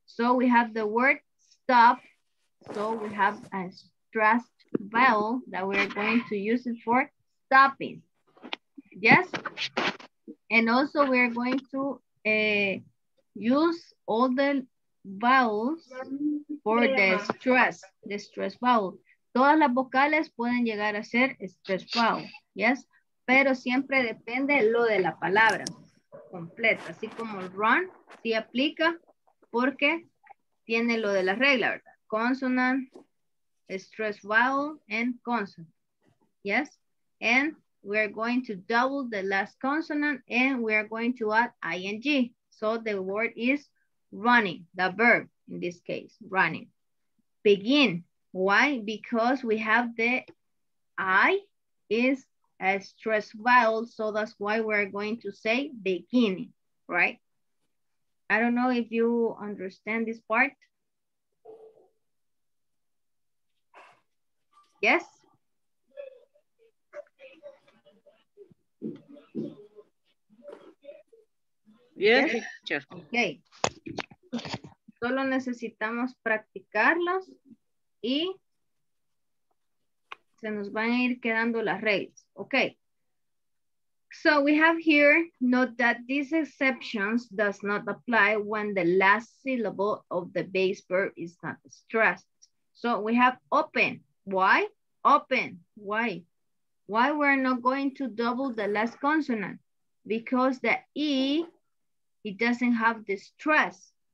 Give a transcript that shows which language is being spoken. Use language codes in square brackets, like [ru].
[en] So we have the word stop. So we have a stressed vowel that we're going to use it for stopping. Yes? And also we're going to use all the vowels for the stress, vowel. [es] Todas las vocales pueden llegar a ser stress vowel. Yes? Pero siempre depende lo de la palabra completa. Así como run, si aplica porque tiene lo de la regla, ¿verdad? [en] Consonant, stress vowel, and consonant. Yes? And we're going to double the last consonant and we're going to add ing. So the word is running, the verb in this case, running. Begin. Why? Because we have the I is a stress vowel. So that's why we're going to say beginning, right? I don't know if you understand this part. Yes? Yes. Okay. [es] Solo necesitamos practicarlos y se nos van a ir quedando las reglas. [en] Okay. So we have here, note that these exceptions does not apply when the last syllable of the base verb is not stressed. So we have open. Why? Open. Why? Why we're not going to double the last consonant? Because the E, it doesn't have the stress.